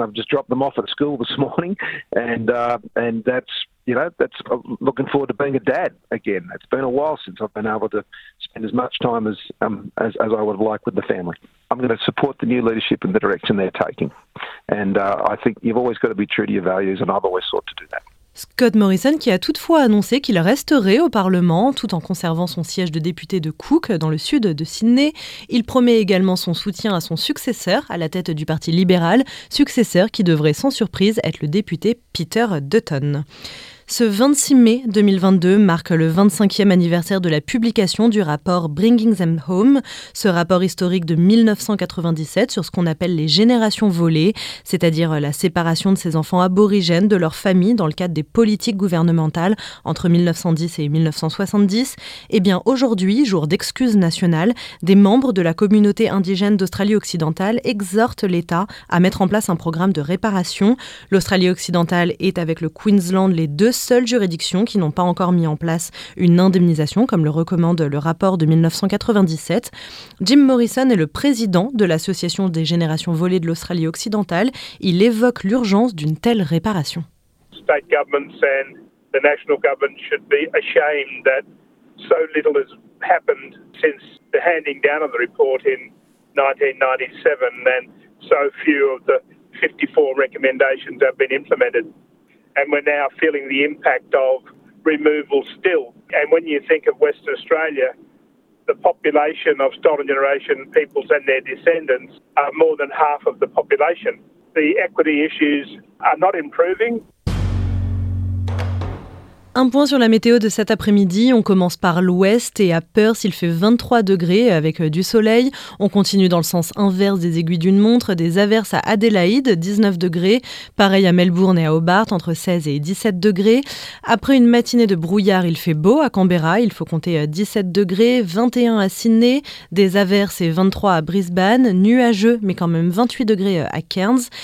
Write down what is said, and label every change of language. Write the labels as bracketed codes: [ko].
[en] I've just dropped them off at school this morning, and that's looking forward to being a dad again. It's been a while since I've been able to spend as much time as I would have liked with the family. I'm going to support the new leadership and the direction they're taking, and I think you've always got to be true to your values, and I've always sought to do that. [fr] Scott Morrison qui a toutefois annoncé qu'il resterait au Parlement tout en conservant son siège de député de Cook dans le sud de Sydney. Il promet également son soutien à son successeur à la tête du Parti libéral, successeur qui devrait sans surprise être le député Peter Dutton. Ce 26 mai 2022 marque le 25e anniversaire de la publication du rapport Bringing Them Home, ce rapport historique de 1997 sur ce qu'on appelle les générations volées, c'est-à-dire la séparation de ces enfants aborigènes de leur famille dans le cadre des politiques gouvernementales entre 1910 et 1970. Eh bien aujourd'hui, jour d'excuses nationales, des membres de la communauté indigène d'Australie-Occidentale exhortent l'État à mettre en place un programme de réparation. L'Australie-Occidentale est avec le Queensland les deux seules juridictions qui n'ont pas encore mis en place une indemnisation, comme le recommande le rapport de 1997. Jim Morrison est le président de l'Association des générations volées de l'Australie-Occidentale. Il évoque l'urgence d'une telle réparation. [en] State governments and the national government should be ashamed that so little has happened since the handing down of the report in 1997 and so few of the 54 recommendations have been implemented. And we're now feeling the impact of removal still. And when you think of Western Australia, the population of Stolen Generation peoples and their descendants are more than half of the population. The equity issues are not improving. [fr] Un point sur la météo de cet après-midi, on commence par l'ouest et à Perth il fait 23 degrés avec du soleil. On continue dans le sens inverse des aiguilles d'une montre, des averses à Adélaïde, 19 degrés. Pareil à Melbourne et à Hobart, entre 16 et 17 degrés. Après une matinée de brouillard, il fait beau à Canberra, il faut compter 17 degrés, 21 à Sydney, des averses et 23 à Brisbane, nuageux mais quand même 28 degrés à Cairns.